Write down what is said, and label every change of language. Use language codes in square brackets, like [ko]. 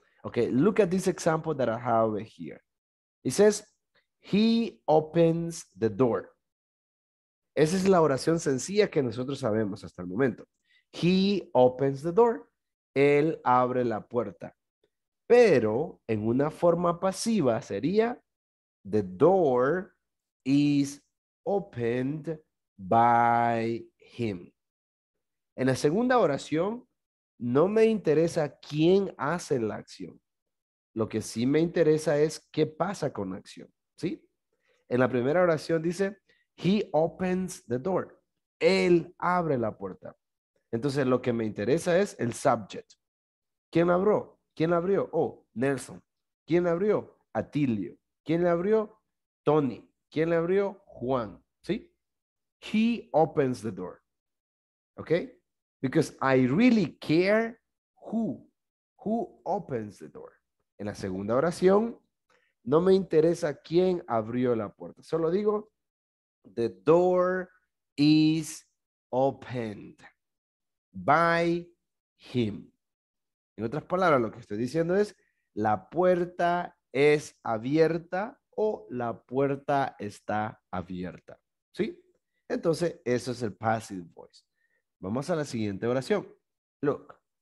[en] Okay, look at this example that I have here. It says, he opens the door. [es] Esa es la oración sencilla que nosotros sabemos hasta el momento. [en] He opens the door. [es] Él abre la puerta. Pero, en una forma pasiva sería, [en] the door is opened by him. [es] En la segunda oración, no me interesa quién hace la acción. Lo que sí me interesa es qué pasa con la acción, ¿sí? En la primera oración dice, [en] he opens the door. [es] Él abre la puerta. Entonces, lo que me interesa es el subject. ¿Quién abrió? ¿Quién abrió? Oh, Nelson. ¿Quién abrió? Atilio. ¿Quién le abrió? Tony. ¿Quién le abrió? Juan. ¿Sí? [en] He opens the door. ¿Ok? Because I really care who opens the door. [es] En la segunda oración, no me interesa quién abrió la puerta. Solo digo, [en] the door is opened by him. [es] En otras palabras, lo que estoy diciendo es, la puerta es abierta o la puerta está abierta, ¿sí? Entonces, eso es el passive voice. Vamos a la siguiente oración. Look.